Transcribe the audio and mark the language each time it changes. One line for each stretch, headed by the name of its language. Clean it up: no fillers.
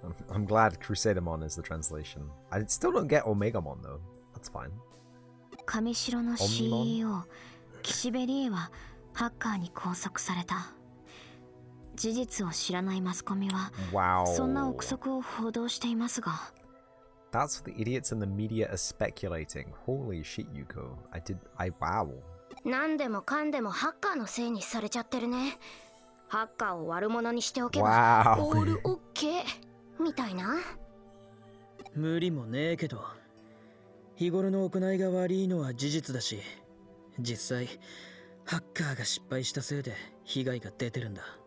English: I'm glad Crusademon is the translation. I still don't get Omegamon though. That's fine.
Japanese: Kamishiro の CEO, Kishibe Rie はハッカーに拘束された。事実を知らないマスコミは、
English: wow.
Japanese: そんな憶測を報道していますが。
English: That's what the idiots in the media are speculating. Holy shit, Yuko. Wow.
Japanese: なんでもかんでもハッカーのせいにされちゃってるね。ハッカーを悪者にしておけば、
English: wow.
Japanese: オールオッケーみたいな。無理もねえけど、日頃の行いが悪いのは事実だし、実際ハッカーが失敗したせいで被害が出てるんだ。